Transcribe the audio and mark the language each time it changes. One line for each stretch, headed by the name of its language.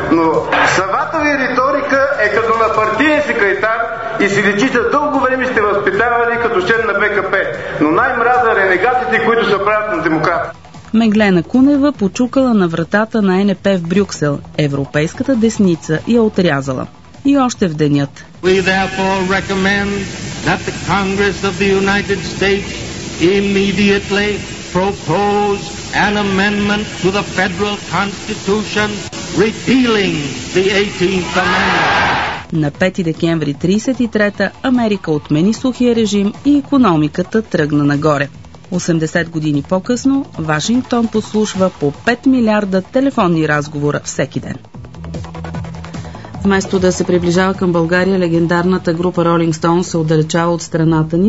Bulgarian: Но самата ви риторика е като на партиен секретар и си личите дълго време сте възпитавали като член на БКП. Но най-мраза ренегатите, които се правят на демократ. Меглена Кунева почукала на вратата на ЕНЕП в Брюксел. Европейската десница я отрязала. И още в денят.
English: We therefore recommend that the Congress of the United States immediately propose an amendment to the Federal Constitution repealing the 18th Amendment.
Bulgarian: На 5 декември 1933 Америка отмени сухия режим и икономиката тръгна нагоре. 80 години по-късно Вашингтон послушва по 5 милиарда телефонни разговора всеки ден. Вместо да се приближава към България, легендарната група Rolling Stones се отдалечава от страната ни.